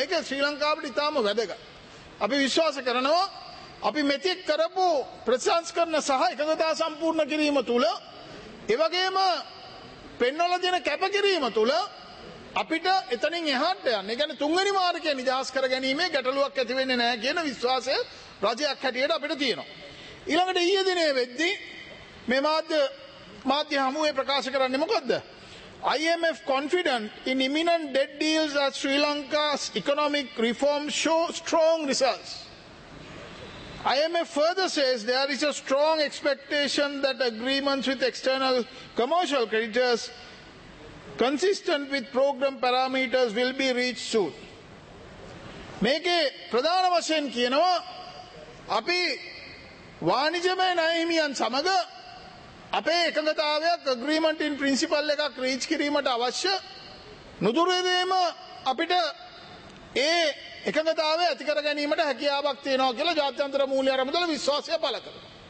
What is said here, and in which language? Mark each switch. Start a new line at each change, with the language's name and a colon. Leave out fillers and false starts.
Sinhala: ඒක ශ්‍රී ලංකාවට ඉතාම වැදගත්. අපි විශ්වාස කරනවා අපි මෙතෙක් කරපු ප්‍රතිසංස්කරණ සහ එකඟතා සම්පූර්ණ කිරීම තුළ, ඒ වගේම පෙන්වල දෙන කැපකිරීම තුළ අපිට එතනින් එහාට යන්න, ඒ කියන්නේ තුන්වැනි මාර්ගය නිදහස් කර ගැනීමේ ගැටලුවක් ඇති වෙන්නේ නැහැ කියන විශ්වාසය රජයක් හැටියට අපිට තියෙනවා. ඊළඟට ඊයේ දිනේ වෙද්දී මේ මාධ්‍ය හමුවේ ප්‍රකාශ කරන්නේ මොකද්ද?
English: IMF confident in imminent debt deals as Sri Lanka's economic reform show strong results. IMF further says there is a strong expectation that agreements with external commercial creditors consistent with program parameters will be reached soon.
Sinhala: මේකේ ප්‍රධාන වශයෙන් කියනවා අපි වාණිජමය නැහිමියන් සමග අපේ එකඟතාවයක්
English: agreement in principle
Sinhala: එකක් reach කිරීමට අවශ්‍ය නුදුරේදීම අපිට ඒ එකඟතාවය ඇති කර ගැනීමට හැකියාවක් තියෙනවා කියලා ජාත්‍යන්තර මූල්‍ය අරමුදල විශ්වාසය පළ කරනවා.